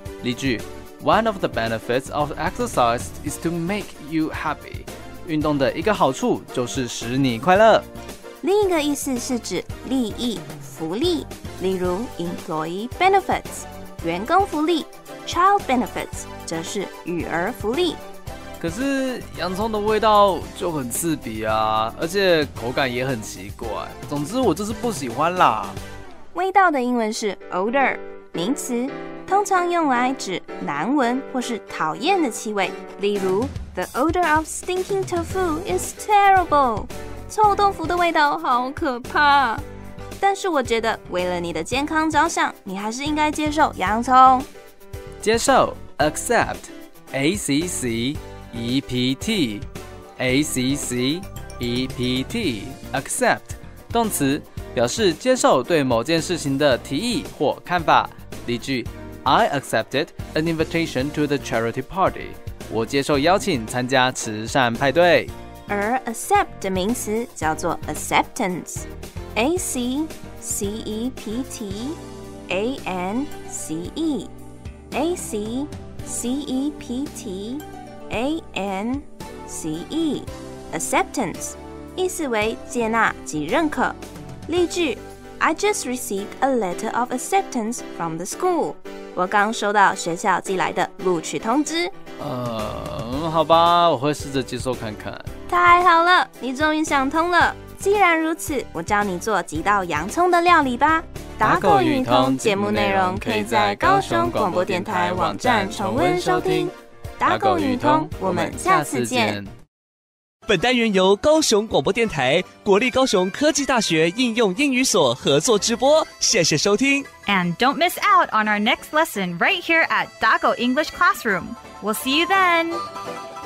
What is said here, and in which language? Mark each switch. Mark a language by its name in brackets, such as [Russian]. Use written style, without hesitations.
[English] 例句 One of the benefits of exercise is to make you happy。 [Chinese] 运动的一个好处就是使你快乐。另一个意思是指利益、福利，例如 [English] employee benefits [Chinese] 员工福利， [English] child benefits [Chinese] 则是育儿福利。可是洋葱的味道就很刺鼻啊，而且口感也很奇怪。总之我就是不喜欢啦。味道的英文是 odor， 名词，通常用来指难闻或是讨厌的气味，例如。 [English] The odor of stinking tofu is terrible. [Chinese] 臭豆腐的味道好可怕。但是我觉得为了你的健康着想，你还是应该接受洋葱。接受 ,accept, A-C-C-E-P-T, A-C-C-E-P-T, accept, 动词表示接受对某件事情的提议或看法。 [English] 例句 ,I accepted an invitation to the charity party. [Chinese] 我接受邀请参加慈善派对。而 accept 的名词叫做 acceptance， A-C-C-E-P-T-A-N-C-E A-C-C-E-P-T-A-N-C-E acceptance 意思为接纳及认可。 [English] 例句 I just received a letter of acceptance from the school。 [Chinese] 我刚收到学校寄来的录取通知。好吧，我会试着接受看看。太好了，你终于想通了。既然如此，我教你做几道洋葱的料理吧。打狗语通节目内容可以在高雄广播电台网站重温收听。打狗语通，我们下次见。本单元由高雄广播电台、国立高雄科技大学应用英语所合作直播，谢谢收听。 [English] And don't miss out on our next lesson right here at 打狗 English Classroom.We'll see you then!